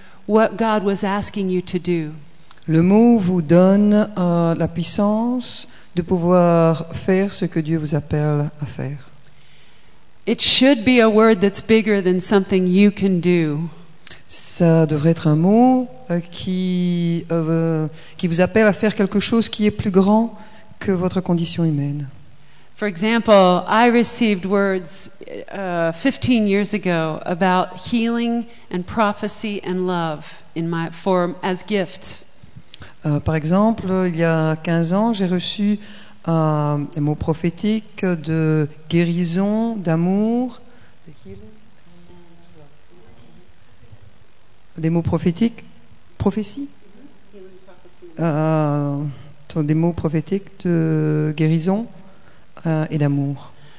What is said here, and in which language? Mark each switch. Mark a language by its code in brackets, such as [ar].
[en] what God was asking you to do. [fr] Le mot vous donne la puissance de pouvoir faire ce que Dieu vous appelle à faire. [en] It should be a word that's bigger than something you can do. [fr] Ça devrait être un mot qui vous appelle à faire quelque chose qui est plus grand que votre condition humaine. [en] For example, I received words 15 years ago about healing and prophecy and love in my form as gifts. [fr] Par exemple, il y a 15 ans, j'ai reçu un mot prophétique de guérison, d'amour. Des mots prophétiques, prophétie. Des mots prophétiques de guérison et d'amour.